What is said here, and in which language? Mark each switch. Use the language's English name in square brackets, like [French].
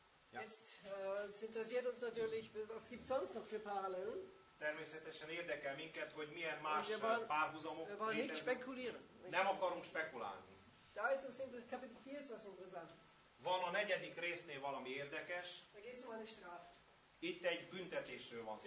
[German] Jetzt interessiert uns natürlich, was gibt's sonst noch für Parallelen? [Hungarian] Természetesen érdekel minket, hogy milyen más párhuzamok létezik. [German] Nicht spekulieren. [Hungarian] Nem akarunk spekulálni. [German] Da ist uns in Kapitel 4 was Interessantes. [Hungarian] Van a negyedik résznél valami érdekes. [German] Da geht's um eine Strafe. [Hungarian] Itt egy büntetésről van szó.